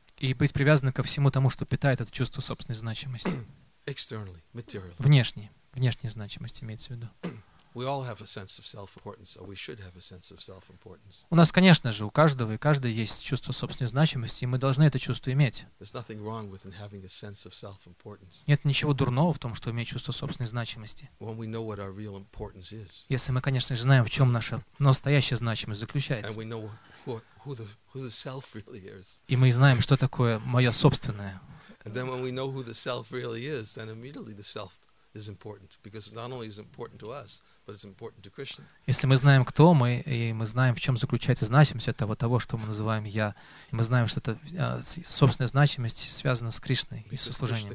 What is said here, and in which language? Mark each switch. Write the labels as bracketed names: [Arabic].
[Russian] И быть привязанным ко всему тому, что питает это чувство собственной значимости. [English] Externally, materially. [Russian] Внешней значимости имеется в виду. [English] We all have a sense of self-importance, or we should have a sense of self-importance. [Russian] У нас, конечно же, у каждого и каждой есть чувство собственной значимости, и мы должны это чувство иметь. [English] There's nothing wrong with having a sense of self-importance. [Russian] Нет ничего дурного в том, что иметь чувство собственной значимости. [English] When we know what our real importance is. [Russian] Если мы, конечно же, знаем, в чем наша настоящая значимость заключается. [English] And we know who the self really is. [Russian] И мы знаем, что такое мое собственное. [English] And then when we know who the self really is, then immediately the self is important, because not only is important to us, but it's important to Krishna. [Russian] Если мы знаем, кто мы, и мы знаем, в чем заключается значимость этого того, что мы называем я, и мы знаем, что это собственная значимость связана с Кришной и со служением